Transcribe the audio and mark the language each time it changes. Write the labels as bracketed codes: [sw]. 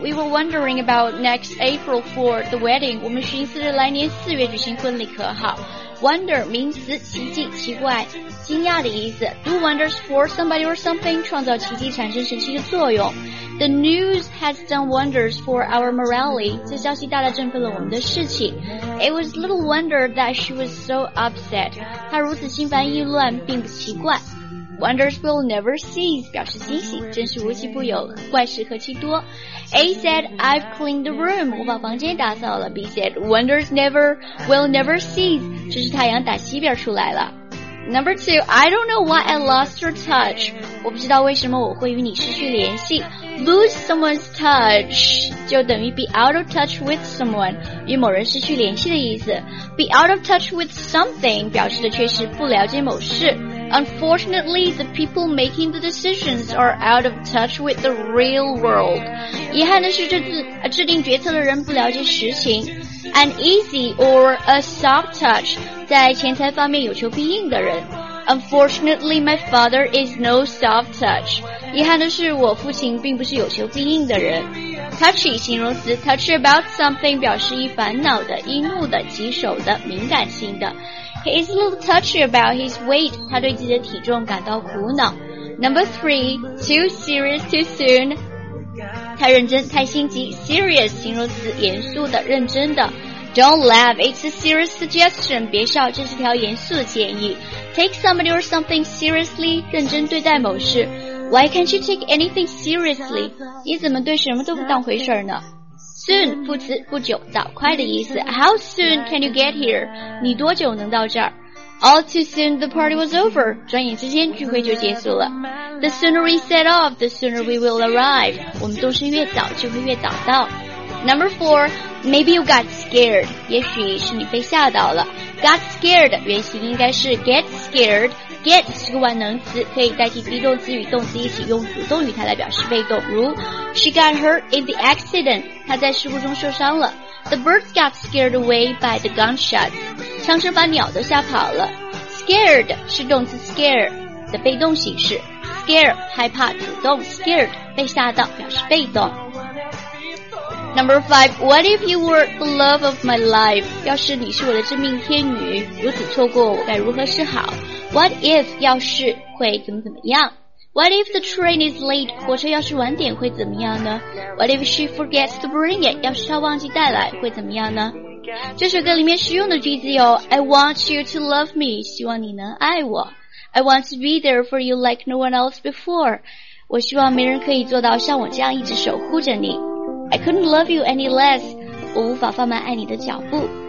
[en] We were wondering about next April for the wedding. [zh] 我们寻思着来年四月举行婚礼可好。 Wonder 名词，奇迹、奇怪、惊讶的意思。 [en] Do wonders for somebody or something [zh] 创造奇迹，产生神奇的作用。 [en] The news has done wonders for our morale. [zh] 这消息大大振奋了我们的士气。 [en] It was little wonder that she was so upset. [zh] 她如此心烦意乱，并不奇怪。 [en] Wonders will never cease [zh] 表示惊喜，真是无奇不有，怪事何其多。 [en] A said I've cleaned the room [zh] 我把房间打扫了。 [en] B said Wonders never will never cease [zh] 这是太阳打西边出来了。 [en] Number 2 I don't know why I lost your touch [zh] 我不知道为什么我会与你失去联系。 [en] Lose someone's touch [zh] 就等于 [en] be out of touch with someone [zh] 与某人失去联系的意思。 [en] Be out of touch with something [zh] 表示的却是不了解某事。 [en] Unfortunately, the people making the decisions are out of touch with the real world. [zh] 遗憾的是制定决策的人不了解实情。 [en] An easy or a soft touch [zh] 在钱财方面有求必应的人。 [en] Unfortunately, my father is no soft touch. [zh] 遗憾的是我父亲并不是有求必应的人。 Touchy 形容词 [en] touch about something [zh] 表示易烦恼的、易怒的、棘手的、敏感性的。 [en] He is a little touchy about his weight. [zh] 他对自己的体重感到苦恼。 [en] Number 3, too serious too soon. [zh] 太认真、太心急。 [en] Serious [zh] 形容词，严肃的、认真的。 [en] Don't laugh, it's a serious suggestion. [zh] 别笑，这是条严肃的建议。 [en] Take somebody or something seriously, [zh] 认真对待某事。 [en] Why can't you take anything seriously? [zh] 你怎么对什么都不当回事呢？ [en] Soon, [zh] 副词不久早快的意思。 [en] How soon can you get here? [zh] 你多久能到这儿? [en] All too soon, the party was over. [zh] 转眼之间聚会就结束了。 [en] The sooner we set off, the sooner we will arrive. [zh] 我们动身越早就会越早到。 [en] Number 4, maybe you got scared. [zh] 也许是你被吓到了。 Got scared, 原型应该是 get scared。Get 是个万能词，可以代替 be 动词与动词一起用主动语态来表示被动，如 [en] She got hurt in the accident. [zh] 她在事故中受伤了。 [en] The birds got scared away by the gunshot. [zh] 枪声把鸟都吓跑了。Scared 是动词 scare 的被动形式。 Scare 害怕，主动 scared 被吓到，表示被动。 [en] Number 5, what if you were the love of my life? [zh] 要是你是我的真命天女，如此错过我该如何是好？ [en] What if [zh] 要是会怎么怎么样？ [en] What if the train is late? [zh] 火车要是晚点会怎么样呢？ [en] What if she forgets to bring it? [zh] 要是她忘记带来会怎么样呢？这首歌里面实用的句子有 [en] I want you to love me, [zh] 希望你能爱我。 [en] I want to be there for you like no one else before. [zh] 我希望没人可以做到像我这样一直守护着你。 [en] I couldn't love you any less. [zh] 我无法放慢爱你的脚步。